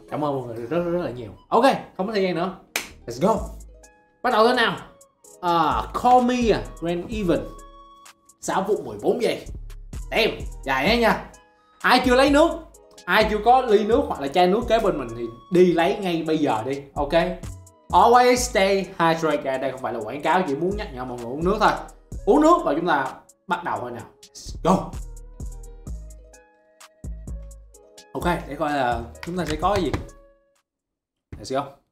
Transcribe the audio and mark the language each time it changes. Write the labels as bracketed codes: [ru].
[vi] Cảm ơn mọi người rất là nhiều. Ok, không có thời gian nữa, [en] let's go, [vi] bắt đầu thôi nào. Call Me Ren Evans, 6 phút 14 giây. Em dài thế nha. Ai chưa lấy nước, ai chưa có ly nước hoặc là chai nước kế bên mình thì đi lấy ngay bây giờ đi. [en] Ok, always stay hydrated. [vi] Đây không phải là quảng cáo, chỉ muốn nhắc nhở mọi người uống nước thôi. Uống nước và chúng ta bắt đầu thôi nào. Go. Ok, để coi là chúng ta sẽ có cái gì. [en] Let's go.